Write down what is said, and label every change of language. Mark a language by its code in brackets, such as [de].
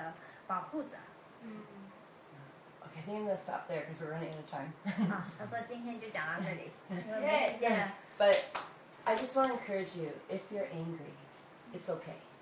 [zh] 我们必须向上帝忏悔，我们不能保护我们自己，你必须当我的保护者。 [en] Okay, I think I'm going to stop there because we're running out of time. [zh] 他说今天就讲到这里，因为没时间了。 [en] But I just want to encourage you, if you're angry, it's okay.